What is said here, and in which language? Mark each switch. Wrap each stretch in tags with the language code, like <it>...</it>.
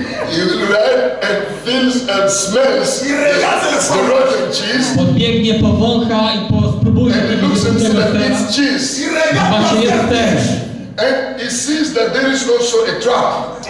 <en>He ran and feels and smells the rotten cheese.</en> <pl>Podbiegnie, powącha i spróbuje tego zepsutego sera. Zobaczy, jest ser.</pl> <en>And he sees that there is also a trap.</en>